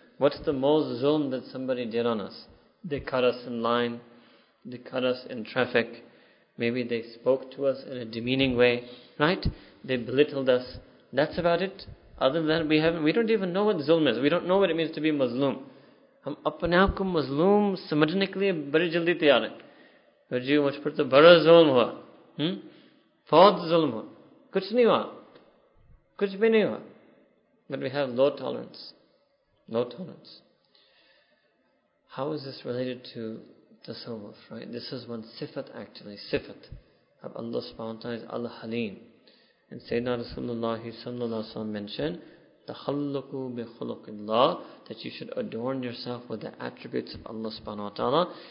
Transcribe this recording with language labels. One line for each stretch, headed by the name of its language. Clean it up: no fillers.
English: What's the most zulm that somebody did on us? They cut us in line. They cut us in traffic. Maybe they spoke to us in a demeaning way. Right? They belittled us. That's about it. Other than that, we don't even know what zulm is. We don't know what it means to be mazloom.
Urdu: ہم اپنے آپ کو مظلوم سمجھنے کے لیے بڑی جلدی تیار ہیں. پھر جی مجھ پر تو بڑا ظلم ہوا, بہت ظلم ہوا, کچھ نہیں ہوا, کچھ بھی نہیں ہوا.
English: But we have low tolerance. How is this related to tasawwuf, right? This is one sifat actually, sifat of Allah subhanahu wa ta'ala is Al-Haleem. And Sayyidina Rasulullah sallallahu alayhi wa sallam mentioned,
Arabic: تَخَلُّقُوا بِخُلُقِ اللَّهِ,
English: that you should adorn yourself with the attributes of Allah subhanahu wa ta'ala.